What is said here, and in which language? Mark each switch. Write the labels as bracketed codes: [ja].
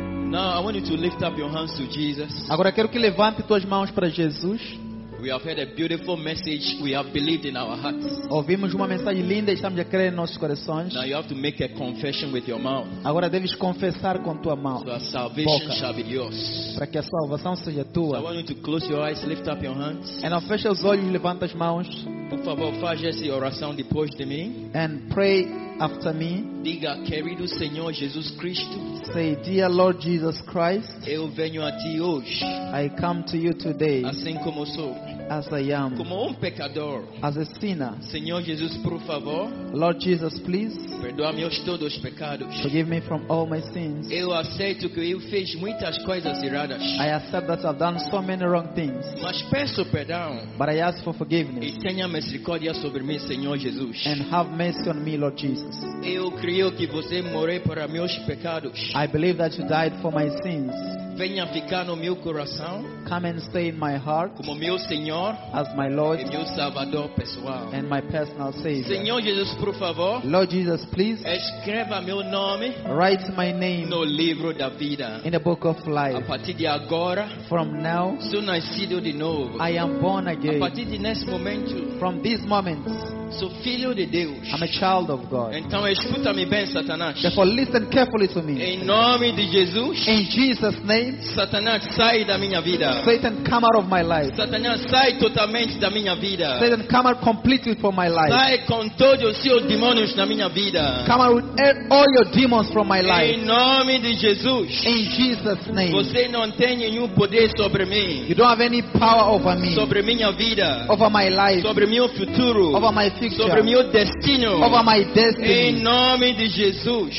[en] Now I want you to lift up your hands to Jesus. [pt] Agora quero que levante tuas mãos para Jesus. [en] We have heard a beautiful message. We have believed in our hearts. [pt] Ouvimos uma mensagem linda e estamos a crer em nossos corações. [en] Now you have to make a confession with your mouth. [pt] Agora deves confessar com tua mão. [en] So salvation shall be yours. [pt] Para que a salvação seja tua. [en] So I want you to close your eyes, lift up your hands. [pt] Então fecha os olhos e levanta as mãos. Por favor, faz essa oração depois de mim. [en] And pray after me. [pt] Diga, querido Senhor Jesus Cristo. [en] Say, dear Lord Jesus Christ. [pt] Eu venho a ti hoje. [en] I come to you today. [pt] Assim como sou. [en] As I am. [pt] Como pecador. [en] As a sinner. [pt] Senhor Jesus, por favor. [en] Lord Jesus, please. [pt] Perdoa-me os todos os pecados. [en] Forgive me from all my sins. [pt] Eu aceito que eu fiz muitas coisas erradas. [en] I accept that I've done so many wrong things. [pt] Mas peço perdão. [en] But I ask for forgiveness. [pt] E tenha misericórdia sobre mim, Senhor Jesus. [en] And have mercy on me, Lord Jesus. [pt] Eu creio que você morreu para meus pecados. [en] I believe that you died for my sins. [pt] Venha ficar no meu coração. [en] Come and stay in my heart. [pt] Como meu Senhor. [en] As my Lord. [pt] E meu Salvador pessoal. [en] And my personal Savior. [pt] Senhor Jesus, por favor. [en] Lord Jesus, please. [pt] Escreva meu nome. [en] Write my name. [pt] No livro da vida. [en] In the book of life. [pt] A partir de agora. [en] From now. [pt] Sou nascido de novo. [en] I am born again. [pt] A partir de neste momento. [en] From this moment. [pt] Sou filho de Deus. [en] I'm a child of God. [pt] Então escuta-me bem, Satanás. [en] Therefore, listen carefully to me. [pt] Em nome de Jesus. [en] In Jesus' name. [pt] Satanás, sai da minha vida. [en] Satan, come out of my life. [pt] Satanás, sai totalmente da minha vida. [en] Satan, come out completely from my life. [pt] Sai com todos os seus demônios da minha vida. [en] Come out with all your demons from my life. [pt] Em nome de Jesus. [en] In Jesus' name. [pt] Você não tem nenhum poder sobre mim. [en] You don't have any power over me. [pt] Sobre minha vida. [en] Over my life. [pt] Sobre meu futuro. [en] Over my future. [pt] Sobre meu destino. [en] Over my destiny. [pt] Em nome de Jesus.